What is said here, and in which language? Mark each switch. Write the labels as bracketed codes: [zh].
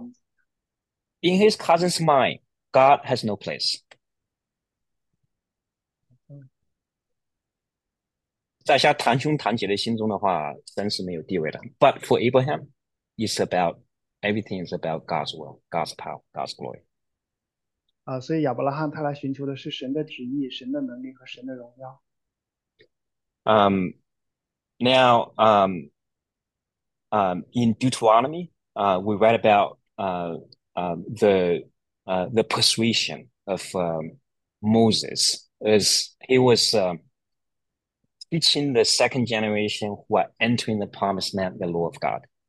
[zh] 所以亚伯拉罕跟当时盖巴别塔的那些人是非常不一样的，那些人都说的是让我们怎么样，让我们怎么样，让我们怎么样。 [en] In his cousin's mind, God has no place. [zh] 在他堂兄堂姐的心中的话，神是没有地位的。 [en] But for Abraham, it's about everything is about God's will, God's power, God's glory. [zh] 所以亚伯拉罕他来寻求的是神的旨意、神的能力和神的荣耀。 [en] In Deuteronomy, we read about the persuasion of Moses as he was teaching the second generation who are entering the promised land, the law of God.